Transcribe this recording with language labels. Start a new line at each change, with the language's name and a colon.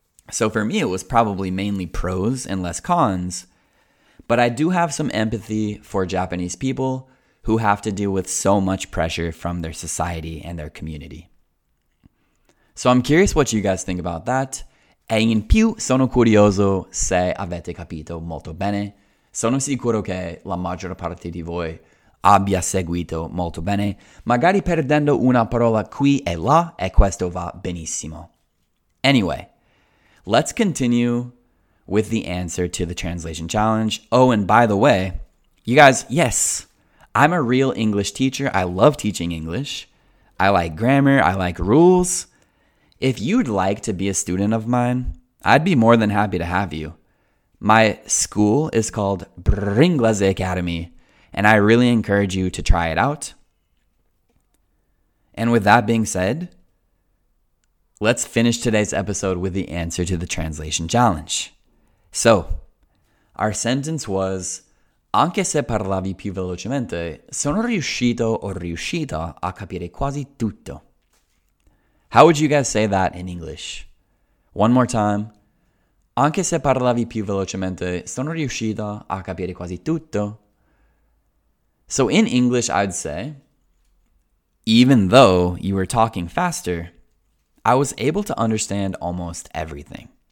English: So for me, it was probably mainly pros and less cons, but I do have some empathy for Japanese people who have to deal with so much pressure from their society and their community. So I'm curious what you guys think about that.
Italian: E in più sono curioso se avete capito molto bene. Sono sicuro che la maggior parte di voi abbia seguito molto bene, magari perdendo una parola qui e là, e questo va benissimo.
English: Anyway, let's continue with the answer to the translation challenge. Oh, and by the way, you guys, yes, I'm a real English teacher. I love teaching English. I like grammar. I like rules. If you'd like to be a student of mine, I'd be more than happy to have you. My school is called Bringlaze Academy, and I really encourage you to try it out. And with that being said, let's finish today's episode with the answer to the translation challenge. So, our sentence was,
Italian: anche se parlavi più velocemente, sono riuscito o riuscita a capire quasi tutto.
English: How would you guys say that in English? One more time.
Italian: Anche se parlavi più velocemente, sono riuscita a capire quasi tutto.
English: So in English, I'd say, even though you were talking faster, I was able to understand almost everything.